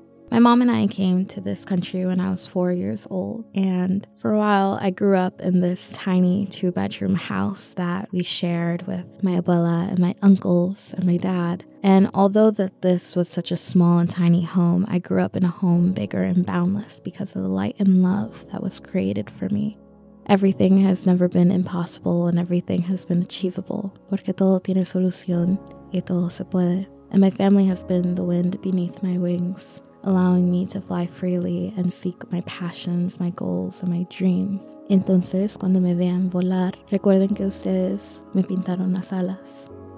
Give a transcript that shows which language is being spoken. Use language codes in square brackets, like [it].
[en] My mom and I came to this country when I was 4 years old, and for a while I grew up in this tiny 2-bedroom house that we shared with my abuela and my uncles and my dad. And although that this was such a small and tiny home, I grew up in a home bigger and boundless because of the light and love that was created for me. Everything has never been impossible and everything has been achievable. [es] Porque todo tiene solución y todo se puede. [en] And my family has been the wind beneath my wings, allowing me to fly freely and seek my passions, my goals, and my dreams. [es] Entonces, cuando me vean volar, recuerden que ustedes me pintaron las alas.